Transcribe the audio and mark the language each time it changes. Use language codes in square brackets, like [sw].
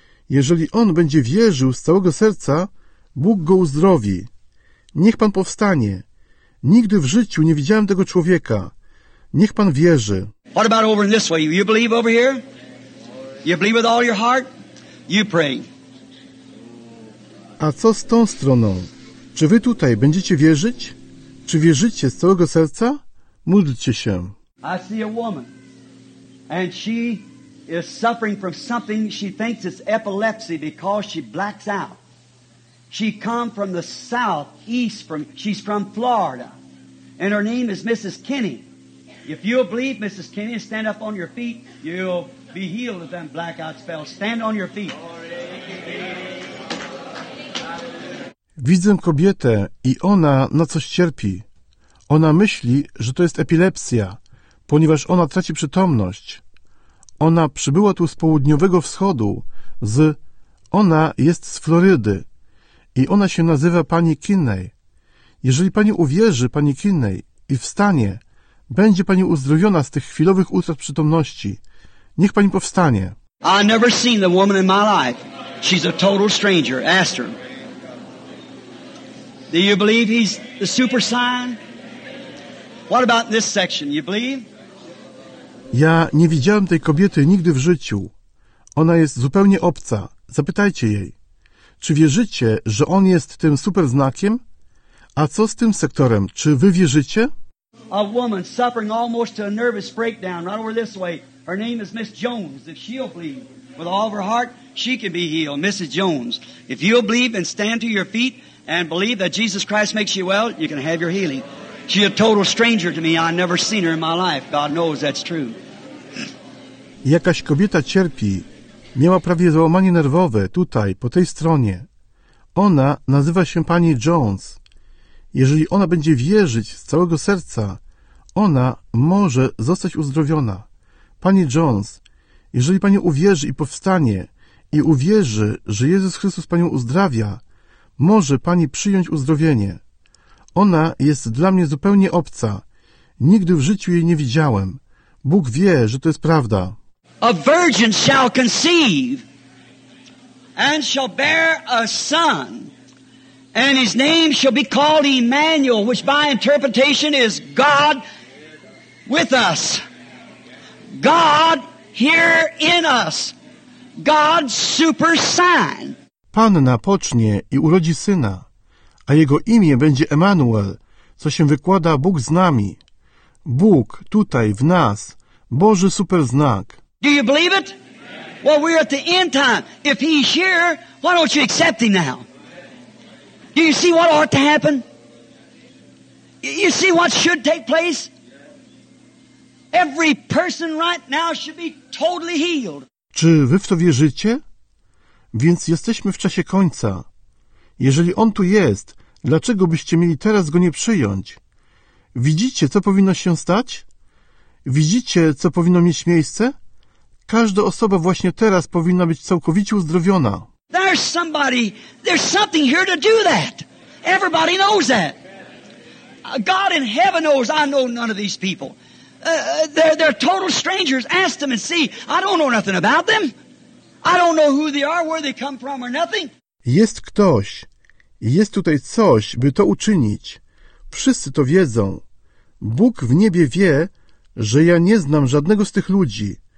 [pl] Jeżeli on będzie wierzył z całego serca, Bóg go uzdrowi. Niech pan powstanie. Nigdy w życiu nie widziałem tego człowieka. Niech pan wierzy. [en] What about over in this way? You believe over here? You believe with all your heart? You pray. [pl] A co z tą stroną? Czy wy tutaj będziecie wierzyć? Czy wierzycie z całego serca? Módlcie się. [en] I see a woman. And she is suffering from something she thinks is epilepsy because she blacks out. She come from the southeast. She's from Florida. And her name is Mrs. Kinney. If you'll believe Mrs. Kinney and stand up on your feet, you'll be healed of that blackout spell. Stand on your feet. [pl] Widzę kobietę i ona na coś cierpi. Ona myśli, że to jest epilepsja, ponieważ ona traci przytomność. Ona przybyła tu z południowego wschodu, ona jest z Florydy i ona się nazywa pani Kinney. Jeżeli pani uwierzy pani Kinney i wstanie, będzie pani uzdrowiona z tych chwilowych utrat przytomności. Niech pani powstanie. [en] I never seen the woman in my life. She's a total stranger. Ask her. Do you believe he's the super sign? What about this section? You believe? [pl] Ja nie widziałem tej kobiety nigdy w życiu. Ona jest zupełnie obca. Zapytajcie jej. Czy wierzycie, że on jest tym super znakiem? A co z tym sektorem? Czy wy wierzycie? [en] A woman suffering almost to a nervous breakdown right over this way. Her name is Miss Jones. If she'll believe with all of her heart, she can be healed. Mrs. Jones, if you'll believe and stand to your feet and believe that Jesus Christ makes you well, you can have your healing. She's a total stranger to me. I've never seen her in my life. God knows that's true. [pl] Jakaś kobieta cierpi. Miała prawie złamanie nerwowe tutaj, po tej stronie. Ona nazywa się pani Jones. Jeżeli ona będzie wierzyć z całego serca, ona może zostać uzdrowiona. Pani Jones, jeżeli pani uwierzy i powstanie i uwierzy, że Jezus Chrystus panią uzdrawia, może pani przyjąć uzdrowienie. Ona jest dla mnie zupełnie obca. Nigdy w życiu jej nie widziałem. Bóg wie, że to jest prawda. [en] A virgin shall conceive and shall bear a son, and his name shall be called Emmanuel, which by interpretation is God with us. God here in us. God's super sign. [pl] Panna pocznie i urodzi syna, a jego imię będzie Emmanuel, co się wykłada Bóg z nami. Bóg tutaj w nas, Boży super znak. [en] Do you believe it? Well, we're at the end time. If he's here, why don't you accept him now? Do you see what ought to happen? You see what should take place? Every person right now should be totally healed. [pl] Czy wy w to wierzycie? Więc jesteśmy w czasie końca. Jeżeli on tu jest, dlaczego byście mieli teraz go nie przyjąć? Widzicie, co powinno się stać? Widzicie, co powinno mieć miejsce? Każda osoba właśnie teraz powinna być całkowicie uzdrowiona. [en] There's somebody, there's something here to do that. Everybody knows that. God in heaven knows I know none of these people. They're total strangers. Ask them and see. I don't know nothing about them. I don't know who they are, where they come from or nothing. [pl] Jest ktoś. Jest tutaj coś, by to uczynić. Wszyscy to wiedzą. Bóg w niebie wie, że ja nie znam żadnego z tych ludzi.